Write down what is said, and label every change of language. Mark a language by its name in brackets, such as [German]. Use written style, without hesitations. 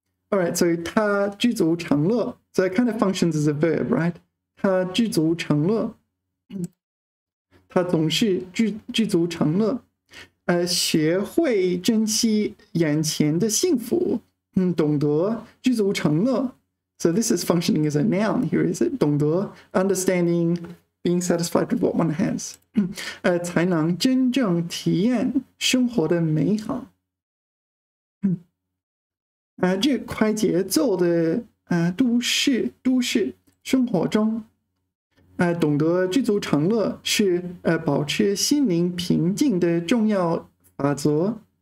[English] All right, so [Chinese] 他知足常乐 [English] So it kind of functions as a verb, right? [Chinese] 他知足常乐，他总是知足常乐。学会珍惜眼前的幸福，懂得知足常乐。 [English] So this is functioning as a noun here, is it? 懂得 understanding, being satisfied with what one has. [Chinese] 才能真正体验生活的美好。这快节奏的都市生活中，懂得知足常乐是保持心灵平静的重要法则。